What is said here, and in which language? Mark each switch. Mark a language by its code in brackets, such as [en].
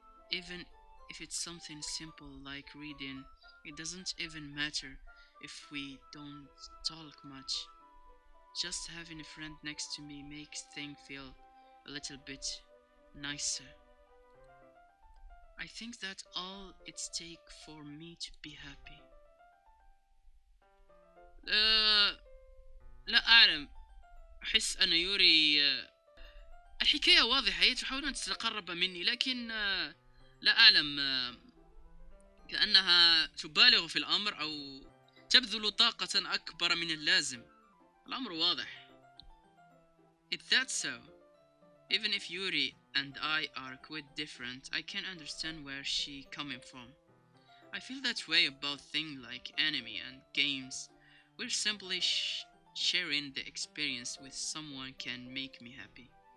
[en] Even if it's something simple like reading, it doesn't even matter if we don't talk much. Just having a friend next to me makes things feel a little bit nicer. I think that's all it takes for me to be happy. [ar] لا أعلم. أحس أن يوري الحكاية واضحة، هي تحاول أن تتقرب مني، لكن لا أعلم، كأنها تبالغ في الأمر أو تبذل طاقة أكبر من اللازم. الأمر واضح. [en] If that's so, even if Yuri and I are quite different, I can understand where she's coming from. I feel that way about things like anime and games. We're simply sharing the experience with someone can make me happy.